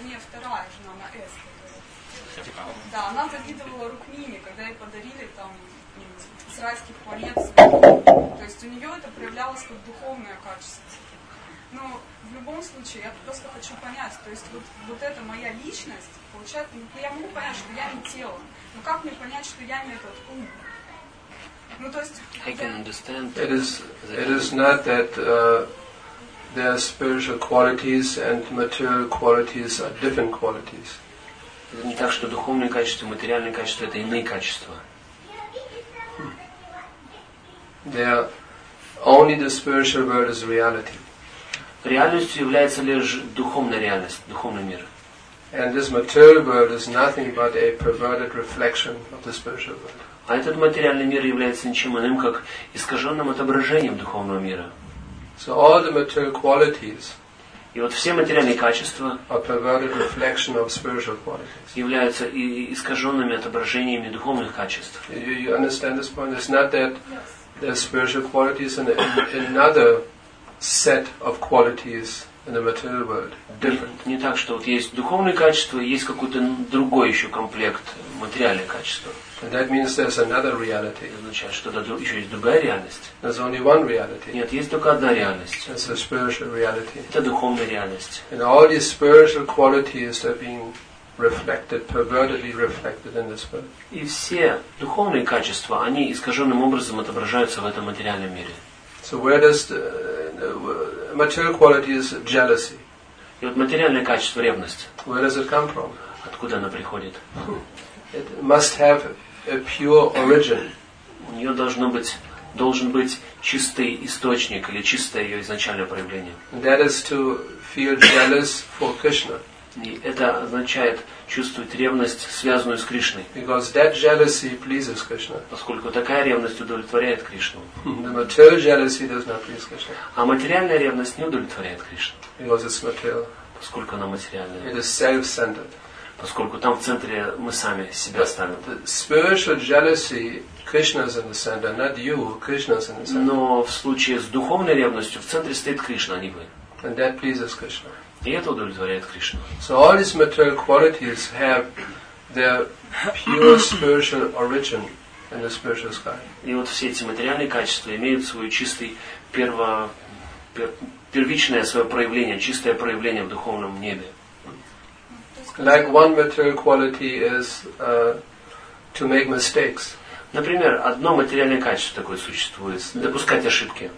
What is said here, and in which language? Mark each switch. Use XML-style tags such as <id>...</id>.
<ru>Вторая жена, она Эсха. Да, она завидовала Рукмине, когда ей подарили там с райских планет. То есть у нее это проявлялось как духовное качество. Но в любом случае, я просто хочу понять, то есть вот эта моя личность, получается, я могу понять, что я не тело, но как мне понять, что я не этот ум? Ну, то есть...</ru> <en>I can understand. It is not that there are spiritual qualities and material qualities are different qualities.</en> <ru>Это не так, что духовные качества, материальные качества – это иные качества.</ru> <en>Only the spiritual world is reality.</en> <ru>Реальностью является лишь духовная реальность, духовный мир.</ru> <en>And this material world is nothing but a perverted reflection of the spiritual world.</en> <ru>А этот материальный мир является ничем иным, как искаженным отображением духовного мира.</ru> <en>So all the material qualities.</en> <ru>И вот все материальные качества являются и искаженными отображениями духовных качеств.</ru> <en>You understand this point? It's not that the spiritual qualities and another set of qualities in the material world different.</en> <ru>Не так, что вот есть духовные качества, есть какой-то другой еще комплект материальных качеств.</ru> <en>And that means there's another reality.</en> <ru>Это означает, что еще есть другая реальность.</ru> <en>There's only one reality.</en> <ru>Нет, есть только одна реальность.</ru> <en>It's a spiritual reality.</en> <ru>Это духовная реальность.</ru> <en>And all these spiritual qualities are being reflected, pervertedly reflected in this world.</en> <ru>И все духовные качества, они искаженным образом отображаются в этом материальном мире.</ru> <en>So where does the material quality is jealousy?</en> <ru>И вот материальное качество — ревность.</ru> <en>Where does it come from?</en> <ru>Откуда она приходит?</ru> <en>It must have a pure origin.</en> <ru>У нее должен быть чистый источник или чистое ее изначальное проявление.</ru> <en>That is to feel jealous for Krishna.</en> <ru>И это означает чувствовать ревность, связанную с Кришной.</ru> <en>Because that jealousy pleases Krishna.</en> <ru>Поскольку такая ревность удовлетворяет Кришну.</ru> <en>The material jealousy does not please Krishna.</en> <ru>А материальная ревность не удовлетворяет Кришну.</ru> <en>Because it's material.</en> <ru>Поскольку она материальная.</ru> <en>It is self-centered.</en> <ru>Поскольку там в центре мы сами себя ставим.</ru> <en>Spiritual jealousy, Krishna is in the center, not you, Krishna is in the center.</en> <ru>Но в случае с духовной ревностью в центре стоит Кришна, а не вы.</ru> <en>And that pleases Krishna.</en> <ru>И это удовлетворяет Кришну.</ru> <en>So all these material qualities have their pure spiritual origin in the spiritual sky.</en> <ru>И вот все эти материальные качества имеют свой чистый первичное свое проявление, чистое проявление в духовном небе.</ru> <en>Like one material quality is to make mistakes.</en> <ru>Например, одно материальное качество такое существует, допускать ошибки.</ru>